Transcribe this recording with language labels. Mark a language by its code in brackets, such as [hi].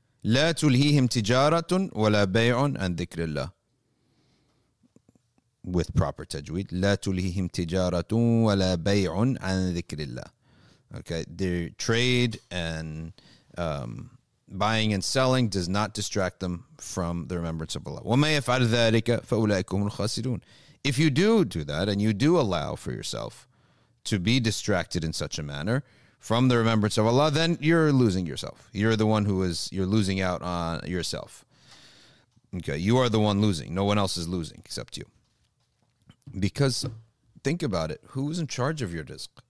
[ar] لا تلهيهم تجارة ولا بيع عن ذكر الله. [en] With proper tajweed, [ar] لا تلهيهم تجارة ولا بيع عن ذكر الله. [en] Okay, their trade and buying and selling does not distract them from the remembrance of Allah. [ar] وما يفعل ذلك فأولئكم الخاسرون. [en] If you do that and you do allow for yourself to be distracted in such a manner from the remembrance of Allah, then you're losing yourself. You're the one you're losing out on yourself. Okay, you are the one losing. No one else is losing except you. Because think about it, who's in charge of your rizq?